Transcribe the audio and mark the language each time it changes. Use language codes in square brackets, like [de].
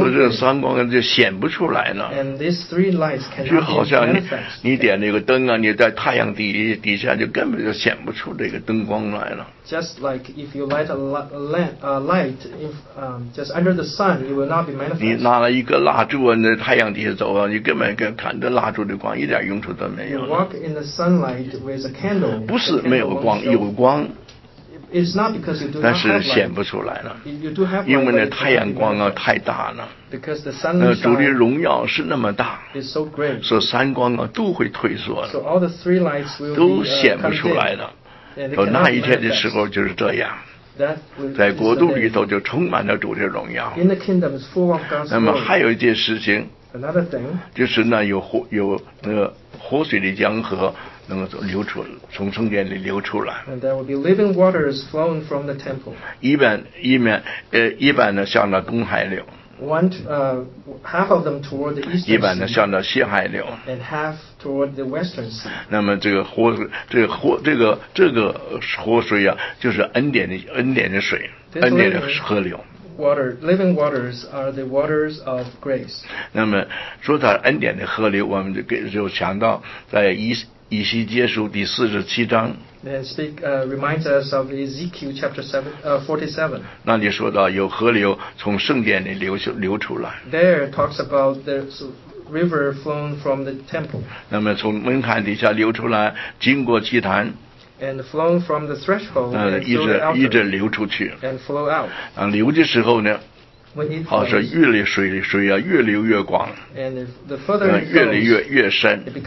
[zh] 所以这三光就显不出来了。 [en] And these three lights cannot be manifest. [zh] 就好像你点那个灯啊，你在太阳底下就根本就显不出这个灯光来了。 [en] Just like if you light a light, just under the sun, it will not be manifest. [zh] 你拿了一个蜡烛啊，在太阳底下走啊，你根本跟看着蜡烛的光一点用处都没有。 [en] You walk in the sunlight with a candle. [zh] 不是没有光，有光。 [en] It's not because you do not have [zh] light. 但是显不出来了。 [en] You do have light. [zh] 因为那太阳光啊太大了。 [en] Because the sunlight. [zh] 那主的荣耀是那么大。 [en] It's so great. [zh] 所以三光啊都会退缩了。 [en] So all the three lights will be. [zh] 都显不出来了。到那一天的时候就是这样，在国度里头就充满了主的荣耀。那么还有一件事情，就是那有那个活水的江河能够流出，从圣殿里流出来。 [en] And there will be living waters flowing from the temple. [zh] 一般呢向着东海流。 [en] half of them toward the eastern sea, [zh] 一半呢向着西海流 [en] and half toward the western sea. [zh] 那么这个活水，这个活，这个这个活水啊，就是恩典的恩典的水，恩典的河流。 [en] Water, living waters are the waters of grace. [zh] 那么说它恩典的河流，我们就给就想到在以西结书第四十七章。 [en] And speak, reminds us of Ezekiel chapter 47. [zh] 那里说到有河流从圣殿里流出来。 [en] There it talks about the river flowing from the temple. [zh] 那么从门槛底下流出来，经过祭坛。 [en] And flowing from the threshold and through the altar. [zh] 一直流出去。 [en] And flow out. [zh] 流的时候呢？好是越流水啊，越流越广，越流越深。